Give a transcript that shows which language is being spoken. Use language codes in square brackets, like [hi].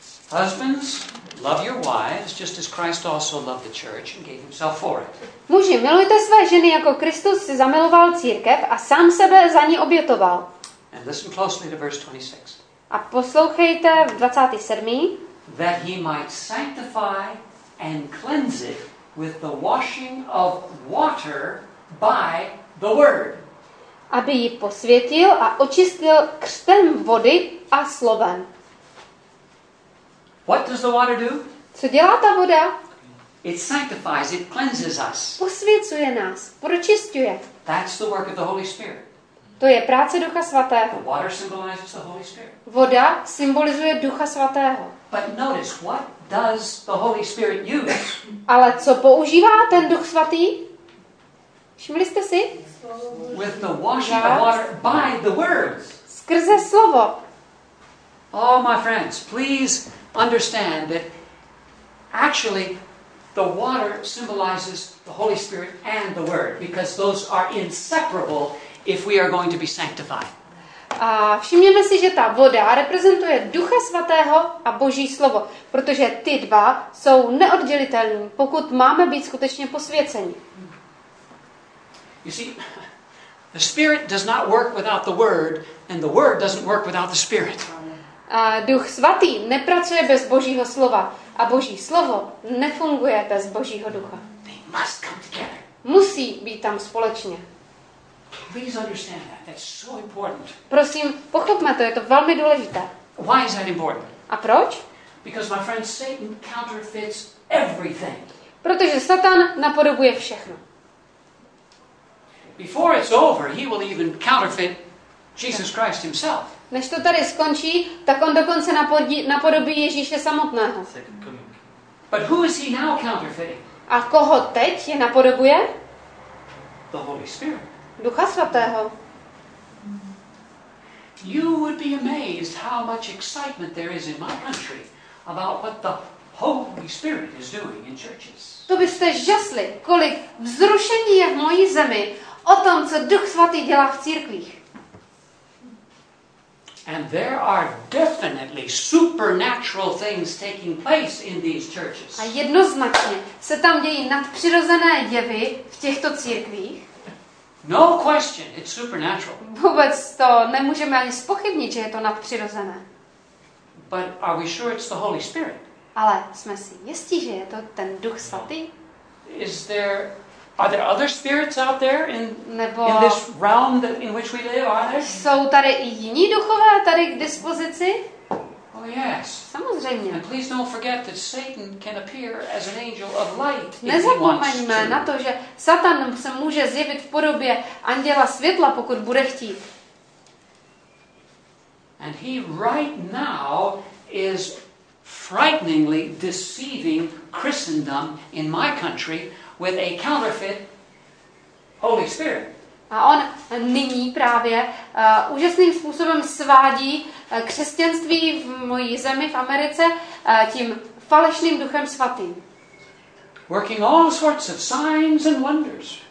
[en] Husbands, love your wives just as Christ also loved the church and gave himself for it. [cs] Muži, milujte své ženy jako Kristus si zamiloval církev a sám sebe za ní obětoval. [en] And listen closely to verse 26. [cs] A poslouchejte v 27. [en] That he might sanctify and cleanse it with the washing of water by the word. [cs] Aby ji posvětil a očistil křtem vody a slovem. [en] What does the water do? [cs] Co dělá ta voda? [en] It sanctifies, it cleanses us. [cs] Posvěcuje nás, pročistuje. [en] That's the work of the Holy Spirit. [cs] To je práce Ducha Svatého. [en] The water symbolizes the Holy Spirit. [cs] Voda symbolizuje Ducha Svatého. [en] But notice, what does the Holy Spirit use? [cs] Ale co používá ten Duch Svatý? Všimli jste si? [en] With the washing of water by the words. [cs] Skrze slovo. [en] Oh, my friends, please understand that actually the water symbolizes the Holy Spirit and the word because those are inseparable if we are going to be sanctified. [cs] A všimněme si, že ta voda reprezentuje Ducha Svatého a Boží slovo, protože ty dva jsou neoddělitelní, pokud máme být skutečně posvěceni. [en] You see, the Spirit does not work without the Word, and the Word doesn't work without the Spirit. [cs] Duch Svatý nepracuje bez Božího slova, a Boží slovo nefunguje bez Božího ducha. [en] They must come together. [cs] Musí být tam společně. [en] Please understand that. That's so important. [cs] Prosím, pochopme to, je to velmi důležité. [en] Why is that important? [cs] A proč? [en] Because my friend Satan counterfeits everything. [cs] Protože Satan napodobuje všechno. [en] Before it's over, he will even counterfeit Jesus Christ himself. [cs] Než to tady skončí, tak on dokonce napodobí Ježíše samotného. [en] But who is he now counterfeiting? [cs] A koho teď je napodobuje? [en] The Holy Spirit. [cs] Ducha Svatého. [en] You would be amazed how much excitement there is in my country about what the Holy Spirit is doing in churches. [cs] To byste žasli, kolik vzrušení je v mojí zemi o tom, co Duch Svatý dělá v církvích. [en] And there are definitely supernatural things taking place in these churches. [cs] A jednoznačně se tam dějí nadpřirozené jevy v těchto církvích. [en] No question, it's supernatural. [cs] Vůbec to nemůžeme ani zpochybnit, že je to nadpřirozené. [en] But are we sure it's the Holy Spirit? [cs] Ale jsme si jistí, že je to ten Duch Svatý? [en] Are there other spirits out there in this realm that in which we live? Are there? [cs] Jsou tady i jiní duchové tady k dispozici? [en] Oh yes. [cs] Samozřejmě. [en] And please don't forget that Satan can appear as an angel of light. [cs] Nezapomeňme na to, že Satan se může zjevit v podobě anděla světla, pokud bude chtít. [en] And he right now is frighteningly deceiving Christendom in my country with a counterfeit Holy Spirit. [cs] A on nyní právě úžasným způsobem svádí křesťanství v mojí zemi v Americe tím falešným Duchem Svatým. [en] Working all sorts of signs and wonders.